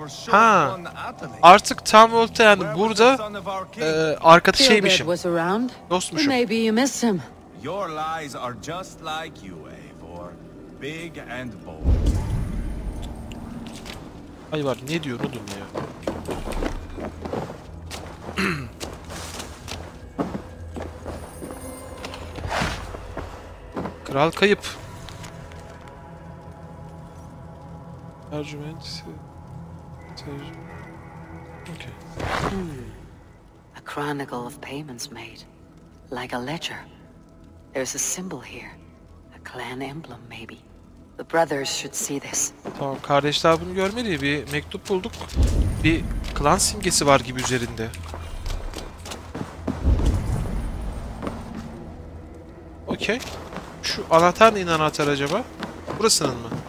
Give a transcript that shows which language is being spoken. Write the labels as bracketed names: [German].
[Turkish] Ha, artık tam orta yani burada arkadaş şeymişim. Dostmuşum. [English] Maybe you miss him. Your lies are just like you, Eivor. Big and bold. [Turkish] Ay var, ne diyor oğlum ya? Kral kayıp. Tercümesi. Okay. [English] A chronicle of payments made, like a ledger. There's a symbol here, a clan emblem maybe. The brothers should see this. [Turkish] Tamam, kardeşler bunu görmedi. Bir mektup bulduk. Bir klan simgesi var gibi üzerinde. Okay. Şu anahtar neyin anahtarı acaba? Burasının mı?